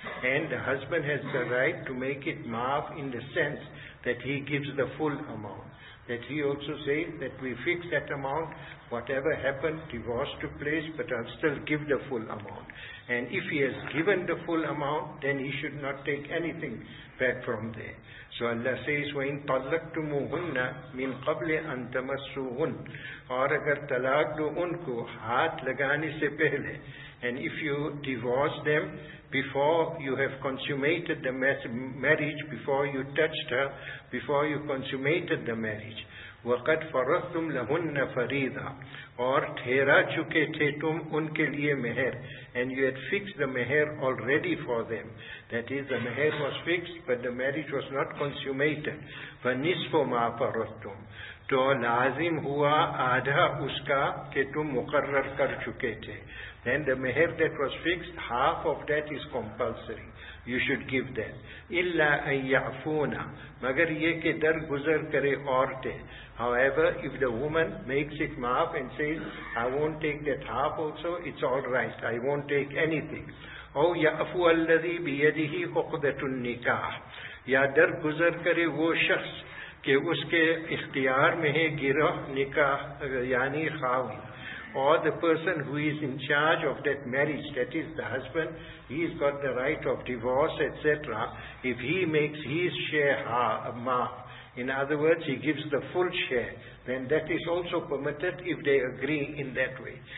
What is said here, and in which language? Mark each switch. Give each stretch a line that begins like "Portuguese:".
English: And the husband has the right to make it maaf in the sense that he gives the full amount. That he also says that we fix that amount, whatever happened, divorce took place, but I'll still give the full amount. And if he has given the full amount, then he should not take anything back from there. So Allah says,
Arabic: وَإِن طَلَّقْتُمُهُنَّ مِنْ قَبْلِ أَن تَمَسُّوهُنَّ
Urdu: اور اگر طلاق دو ان کو ہاتھ لگانے سے پہلے.
English: And if you divorce them before you have consummated the marriage, before you touched her, before you consummated the marriage,
Arabic: وَقَدْ فَرَضْتُمْ لَهُنَّ فَرِيضًا
Urdu: اور ٹھہرا چکے تھے تم ان کے لیے مہر.
English: And you had fixed the mihr already for them. That is, the mihr was fixed, but the marriage was not consummated.
Arabic: فَنِصْفُ مَا فَرَضْتُمْ
Urdu: تو لازم ہوا آدھا اس کا کہ تم مقرر کر چکے تھے.
English: Then the mihr that was fixed, half of that is compulsory. You should give that.
Arabic: إِلَّا أَن يَعْفُونَ
Urdu: مگر یہ کہ در گزر کرے عورتیں.
English: However, if the woman makes it maaf and says, I won't take that half also, it's all right, I won't take anything.
Arabic: أَوْ يَعْفُوَ الَّذِي بِيَدِهِ عُقْدَةُ النِّكَاحِ
Urdu: یا در گزر کرے وہ شخص کہ اس کے اختیار میں ہے گرہ نکاح یعنی خاوند.
English: Or the person who is in charge of that marriage, that is the husband, he has got the right of divorce, etc. If he makes his share maaf, in other words, he gives the full share, then that is also permitted if they agree in that way.